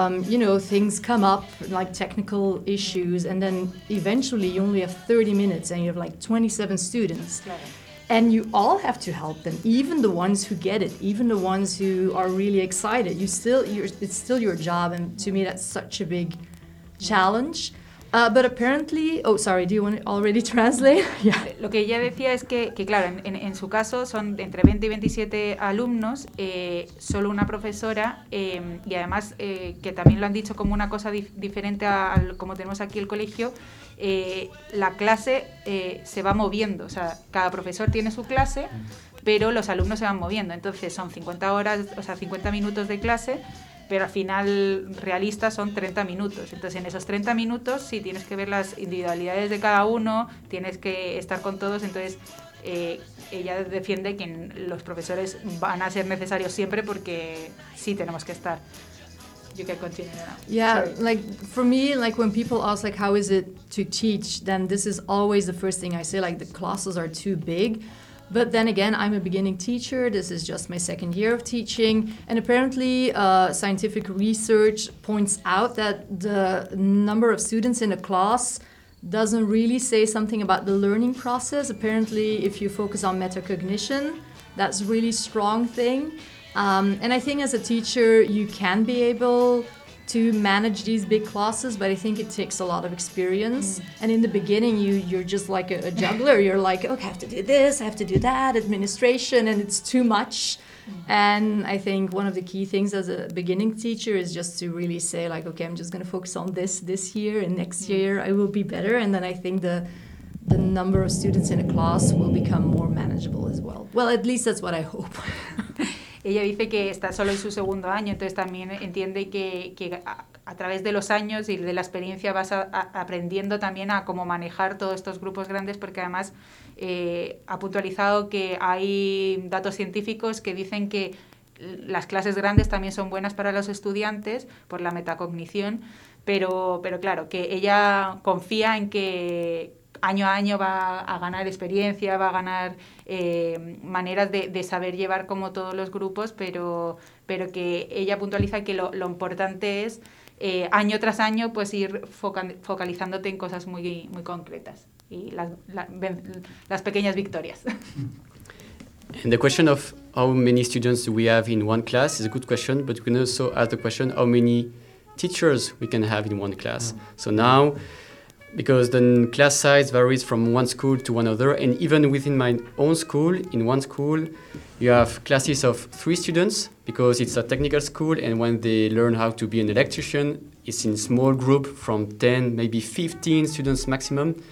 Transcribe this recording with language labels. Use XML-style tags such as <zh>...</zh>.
<en>You know, things come up, like technical issues, and then eventually you only have 30 minutes and you have like 27 students. And you all have to help them, even the ones who get it, even the ones who are really excited. It's still your job, and to me that's such a big challenge. But apparently, oh, sorry, do you want to already translate? Yeah.</en> <es>Lo que ella decía es que claro, en su caso son entre 20 y 27 alumnos, solo una profesora, y además, que también lo han dicho como una cosa diferente a como tenemos aquí el colegio, la clase se va moviendo, o sea, cada profesor tiene su clase, pero los alumnos se van moviendo, entonces son 50 horas, o sea, 50 minutos de clase, pero al final realista son 30 minutos. Entonces, en esos 30 minutos, sí, tienes que ver las individualidades de cada uno, tienes que estar con todos. Entonces, ella defiende que los profesores van a ser necesarios siempre, porque sí tenemos que estar.</es> <en>You can continue now. Yeah, sorry. Like, for me, like, when people ask, like, how is it to teach, then this is always the first thing I say, like, the classes are too big. But then again, I'm a beginning teacher. This is just my second year of teaching. And apparently, scientific research points out that the number of students in a class doesn't really say something about the learning process. Apparently, if you focus on metacognition, that's a really strong thing. And I think as a teacher, you can be able to manage these big classes, but I think it takes a lot of experience. Mm. And in the beginning, you're just like a juggler. You're like, okay, I have to do this, I have to do that, administration, and it's too much. Mm. And I think one of the key things as a beginning teacher is just to really say, like, okay, I'm just going to focus on this year, and next year I will be better. And then I think the number of students in a class will become more manageable as well. Well, at least that's what I hope.</en> <es>Ella dice que está solo en su segundo año, entonces también entiende que a través de los años y de la experiencia vas aprendiendo también a cómo manejar todos estos grupos grandes, porque además ha puntualizado que hay datos científicos que dicen que las clases grandes también son buenas para los estudiantes por la metacognición, pero claro, que ella confía en que año a año va a ganar experiencia, va a ganar maneras de saber llevar como todos los grupos, pero que ella puntualiza que lo importante es año tras año pues ir focalizándote en cosas muy, muy concretas y las pequeñas victorias.</es> <en>And the question of how many students do we have in one class is a good question, but we can also ask the question how many teachers we can have in one class. So now, because the class size varies from one school to another, and even within my own school, in one school, you have classes of 3 students, because it's a technical school, and when they learn how to be an electrician, it's in small group from 10, maybe 15 students maximum.</en>